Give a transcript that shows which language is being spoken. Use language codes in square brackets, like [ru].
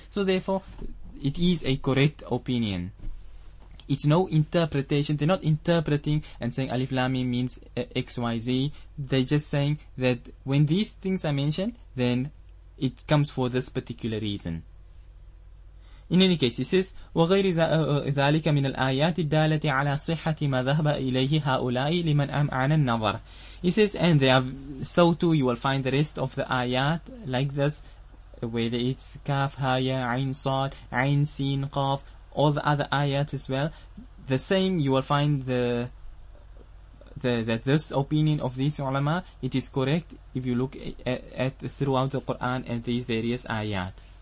[en] So therefore, it is a correct opinion. It's no interpretation. They're not interpreting and saying Alif Lam Mim means XYZ. They're just saying that when these things are mentioned, then it comes for this particular reason. In any case, he says, [ar] وَغَيْرِ ذَلِكَ مِنَ الْآيَاتِ الدَّالَةِ عَلَىٰ صِحَّةِ مَا ذَهْبَ إِلَيْهِ هَؤُلَاءِ لِمَنْ أَمْعَنَ النَّظَرِ. [en] He says, and they are, so too you will find the rest of the ayat like this, whether it's Kaf, Haya, Ain, Sad, Ain, Sin, Qaf, all the other ayat as well, the same you will find that this opinion of these ulama, it is correct if you look at throughout the Quran and these various ayat.